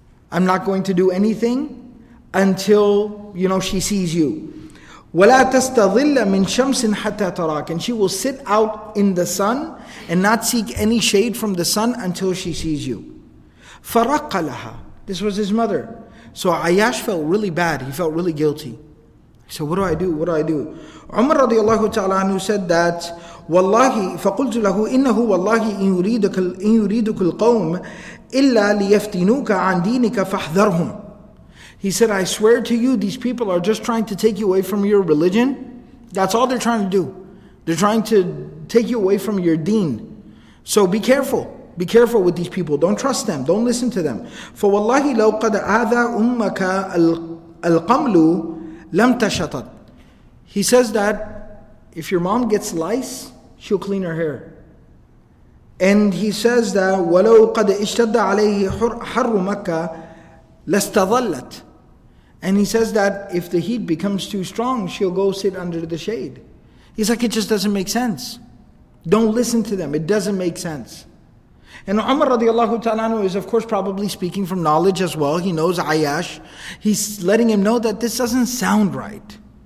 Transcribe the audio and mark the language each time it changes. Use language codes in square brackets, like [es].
[en] I'm not going to do anything until, you know, she sees you. [ar] وَلَا تَسْتَظِلَّ مِنْ شَمْسٍ حَتَّى تَرَاكَ. [en] And she will sit out in the sun and not seek any shade from the sun until she sees you. [ar] فَرَقَّ لَهَا. [en] This was his mother. So Ayyash felt really bad. He felt really guilty. So what do I do? What do I do? Umar radiallahu ta'ala anhu said that, [ar] وَاللَّهِ فَقُلْتُ لَهُ إِنَّهُ وَاللَّهِ إِنْ يُرِيدُكَ الْقَوْمِ إِلَّا لِيَفْتِنُوكَ عَنْ دِينِكَ فَاحْذَرْهُمْ. [en] He said, I swear to you, these people are just trying to take you away from your religion. That's all they're trying to do. They're trying to take you away from your deen. So be careful. Be careful with these people. Don't trust them. Don't listen to them. [ar] فَوَاللَّهِ لَوْ قَدْ أَذَى أُمَّكَ الْقَمْلُ لَمْ تَشَطَتْ. [en] He says that if your mom gets lice, she'll clean her hair. And he says that [ar] وَلَوْ قَدْ إِشْتَدَّ عَلَيْهِ حَرُّ مَكَّةِ لَسْتَظَلَّتْ. [en] And he says that if the heat becomes too strong, she'll go sit under the shade. He's like, it just doesn't make sense. Don't listen to them. It doesn't make sense. And Umar radiallahu ta'ala anhu is of course probably speaking from knowledge as well. He knows Ayyash. He's letting him know that this doesn't sound right.